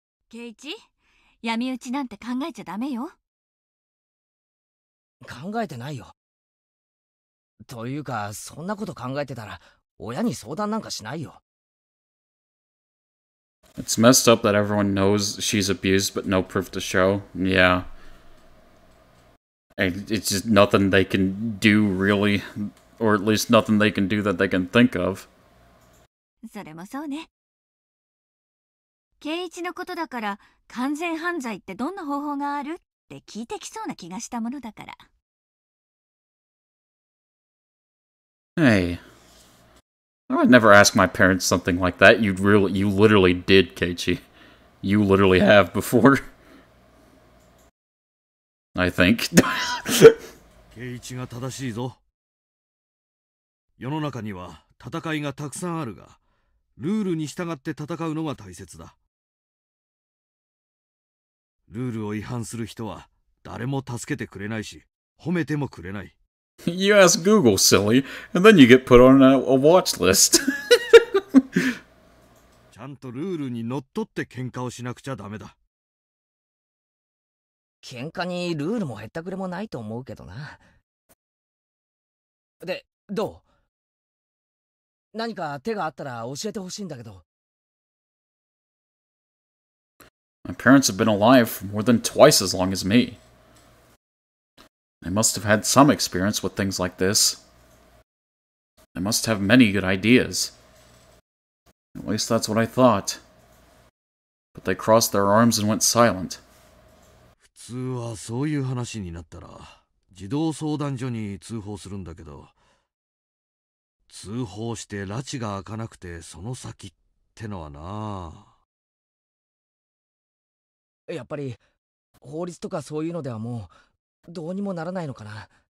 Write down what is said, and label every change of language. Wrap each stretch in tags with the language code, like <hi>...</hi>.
<ja>ケイチ、闇討ちなんて考えちゃダメよ。考えてないよ。というか、そんなこと考えてたら親に相談なんかしないよ。</ja> <en>It's messed up that everyone knows she's abused but no proof to show. Yeah. And it's just nothing they can do really, or at least nothing they can do that they can think of.</en> <ja>それもそうね。ケイチのことだから、完全犯罪ってどんな方法があるって聞いてきそうな気がしたものだから。</ja> <en>Hey. I would never ask my parents something like that. You literally did, Keiichi. You literally have before. I think.</en> <ja>Keiichi が正しいぞ。世の中には戦いがたくさんあるが、ルールに従って戦うのが大切だ。ルールを違反する人は誰も助けてくれないし、褒めてもくれない。</ja> <en>You ask Google, silly, and then you get put on a watch list.</en> <ja>ちゃんとルールにのっとって喧嘩をしなくちゃダメだ。喧嘩にルールもへったくれもないと思うけどな。で、どう？何か手があったら教えてほしいんだけど。</ja> <en>My parents have been alive for more than twice as long as me. They must have had some experience with things like this. They must have many good ideas. At least that's what I thought. But they crossed their arms and went silent.</en> <ja>普通はそういう話になったら、児童相談所に通報するんだけど、通報して拉致が開かなくてその先ってのはな。やっぱり法律とかそういうのではもう、どうにもならないのかな。</ja>